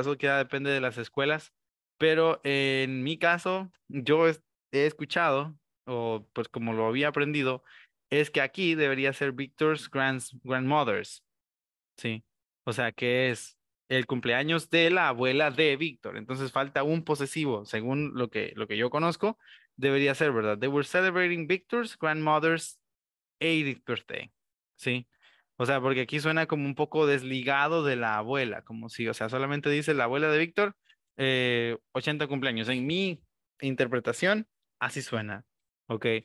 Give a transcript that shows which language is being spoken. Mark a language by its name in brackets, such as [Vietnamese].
[Spanish] Eso queda depende de las escuelas. Pero en mi caso, yo he escuchado, o pues como lo había aprendido, es que aquí debería ser Victor's grandmother's, ¿sí? O sea, que es el cumpleaños de la abuela de Victor. Entonces falta un posesivo, según lo que yo conozco, debería ser, ¿verdad? [English] They were celebrating Victor's grandmother's 80th birthday, [Spanish] ¿sí? O sea, porque aquí suena como un poco desligado de la abuela, como si, o sea, solamente dice la abuela de Victor, 80 cumpleaños. En mi interpretación, así suena, ¿ok?